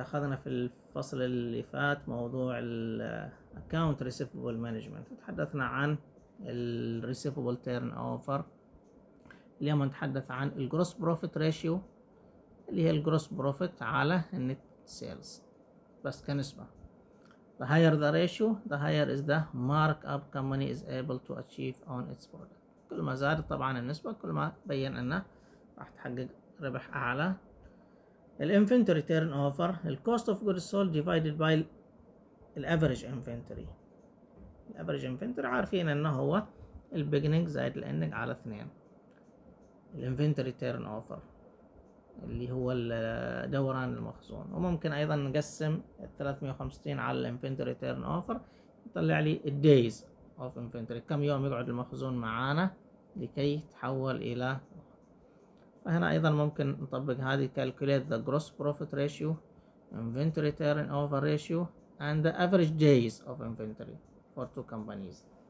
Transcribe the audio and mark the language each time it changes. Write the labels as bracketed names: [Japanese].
[Arabic] أخذنا في الفصل اللي فات موضوع الـ account receivable management، تحدثنا عن الـ receivable turnover، اليوم نتحدث عن الـ gross profit ratio اللي هي الـ gross profit على الـ net sales بس كنسبة. [English] The higher the ratio the higher is the markup company is able to achieve on its product، [Arabic] كل ما زاد طبعا النسبة كل ما بين أنه راح تحقق ربح أعلى. [English] الـ inventory turnover الـ cost of goods sold divided by الـ average inventory. [Arabic] الـ average inventory عارفين أنه هو الـ beginning زائد الـ ending على 2. الـ inventory turnover اللي هو دوران المخزون، وممكن أيضا نقسم 365 على الـ inventory turnover يطلع لي الـ days of inventory، كم يوم يقعد المخزون معانا لكي يتحول إلى. فهنا ايضا ممكن نطبق هذه [English] calculate the gross profit ratio inventory turnover ratio and the average days of inventory for two companies.